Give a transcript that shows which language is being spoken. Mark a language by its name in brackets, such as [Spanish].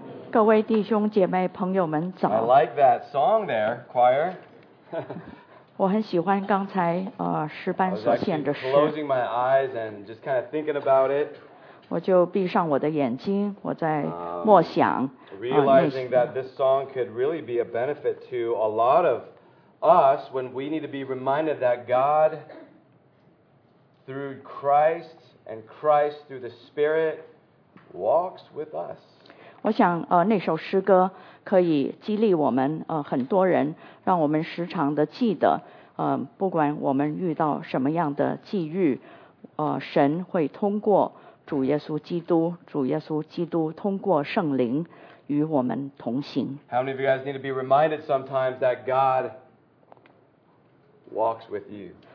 [Chinese] 各位弟兄姐妹朋友们早。 [English] I like that song there, choir. [Chinese] 我很喜欢刚才诗班所献的诗。 [English] I was actually closing my eyes and just kind of thinking about it. [Chinese] 我就闭上我的眼睛，我在默想。 [English] Realizing that this song could really be a benefit to a lot of us when we need to be reminded that God, through Christ and Christ through the Spirit, walks with us. [Chinese] 我想那首诗歌可以激励我们很多人，让我们时常的记得不管我们遇到什么样的际遇，神会通过主耶稣基督，主耶稣基督通过圣灵与我们同行。 [English] How many of you guys need to be reminded sometimes that God walks with you?